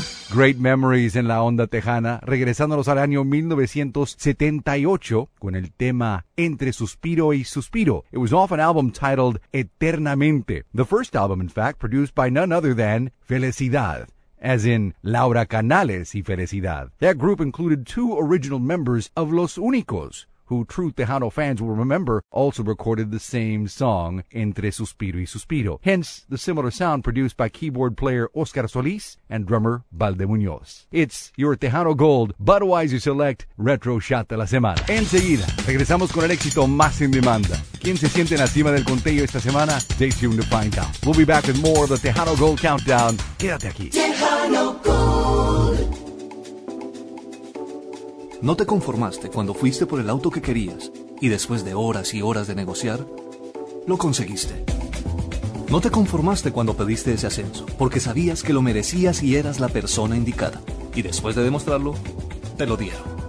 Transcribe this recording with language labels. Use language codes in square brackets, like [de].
[es] Great Memories en la Onda Tejana, regresándonos al año 1978 con el tema Entre Suspiro y Suspiro. [en] It was off an album titled Eternamente. The first album, in fact, produced by none other than Felicidad, as in Laura Canales y Felicidad. That group included two original members of Los Únicos, who true Tejano fans will remember also recorded the same song, Entre Suspiro y Suspiro. Hence, the similar sound produced by keyboard player Oscar Solís and drummer Valde Muñoz. It's your Tejano Gold Budweiser Select Retro Shot de la Semana. [es] Enseguida, regresamos con el éxito más en demanda. ¿Quién se siente en la cima del conteo esta semana? [en] Stay tuned to find out. We'll be back with more of the Tejano Gold Countdown. [es] Quédate aquí. [en] Tejano Gold. [es] ¿No te conformaste cuando fuiste por el auto que querías y después de horas y horas de negociar, lo conseguiste? ¿No te conformaste cuando pediste ese ascenso porque sabías que lo merecías y eras la persona indicada y después de demostrarlo, te lo dieron?